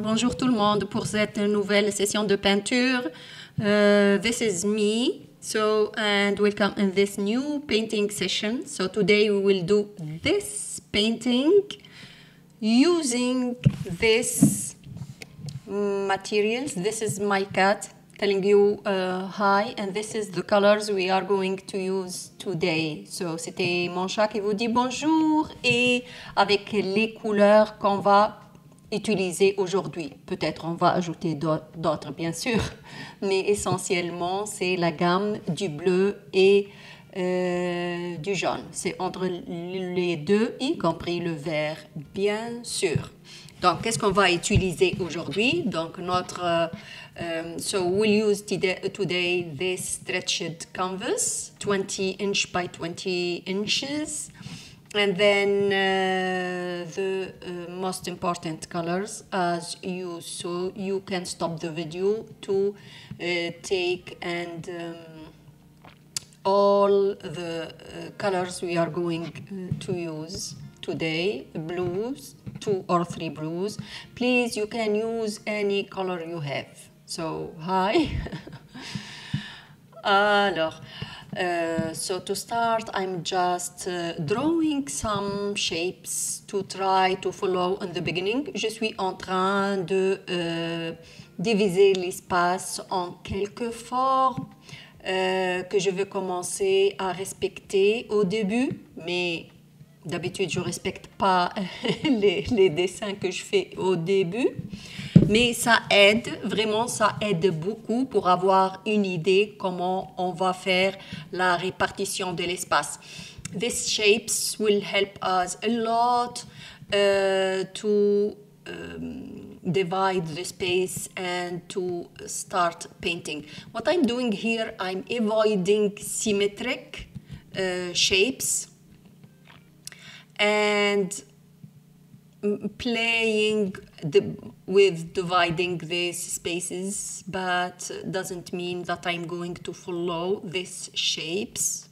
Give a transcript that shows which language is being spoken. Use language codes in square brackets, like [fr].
[fr] Bonjour tout le monde pour cette nouvelle session de peinture. [en] This is me. So, and welcome in this new painting session. So today we will do this painting using this materials. This is my cat telling you hi, and this is the colors we are going to use today. [fr] So c'était mon chat qui vous dit bonjour et avec les couleurs qu'on va utiliser aujourd'hui. Peut-être on va ajouter d'autres, bien sûr, mais essentiellement c'est la gamme du bleu et du jaune. C'est entre les deux, y compris le vert, bien sûr. Donc, qu'est-ce qu'on va utiliser aujourd'hui? Donc, notre. [en] So, we'll use today this stretched canvas, 20 inch by 20 inches. And then the most important colors, as you saw, you can stop the video to take and all the colors we are going to use today, blues, two or three blues. Please, you can use any color you have. So, hi. Alors. So to start, I'm just drawing some shapes to try to follow in the beginning. [fr] Je suis en train de diviser l'espace en quelques formes que je veux commencer à respecter au début, mais d'habitude je ne respecte pas les dessins que je fais au début. Mais ça aide, vraiment, ça aide beaucoup pour avoir une idée comment on va faire la répartition de l'espace. [en] These shapes will help us a lot to divide the space and to start painting. What I'm doing here, I'm avoiding symmetric shapes and playing with dividing these spaces, but doesn't mean that I'm going to follow these shapes.